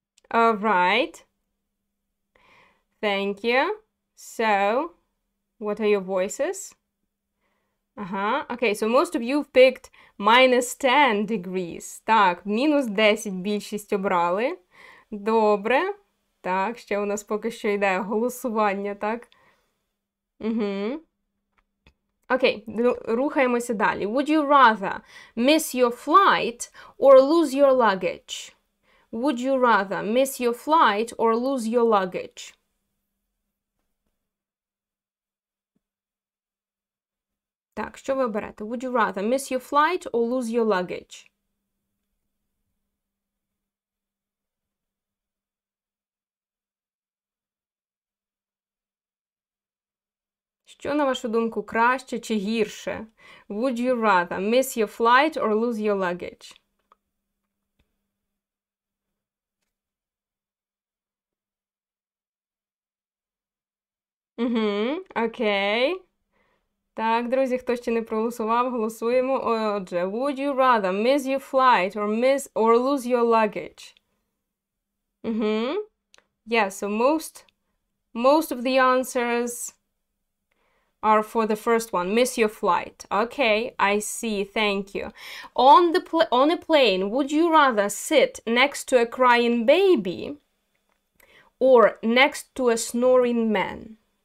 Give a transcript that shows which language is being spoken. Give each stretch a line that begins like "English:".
English: All right. Thank you. So, what are your voices? Okay, so most of you picked minus 10 degrees.
Ukrainian: Так, мінус 10 більшість обрали. Добре. Так, ще у нас поки що йде голосування, так? Окей, рухаємося далі.
English: Would you rather miss your flight or lose your luggage? Would you rather miss your flight or lose your luggage?
Ukrainian: Так, що ви оберете?
English: Would you rather miss your flight or lose your luggage?
Ukrainian: Що, на вашу думку, краще чи гірше?
English: Would you rather miss your flight or lose your luggage?
Ukrainian: Окей. Так, друзі, хто ще не проголосував, голосуємо. Отже,
English: would you rather miss your flight or miss or lose your luggage? Yeah, so most of the answers are for the first one, miss your flight. Okay, I see, thank you. On a plane, would you rather sit next to a crying baby or next to a snoring man?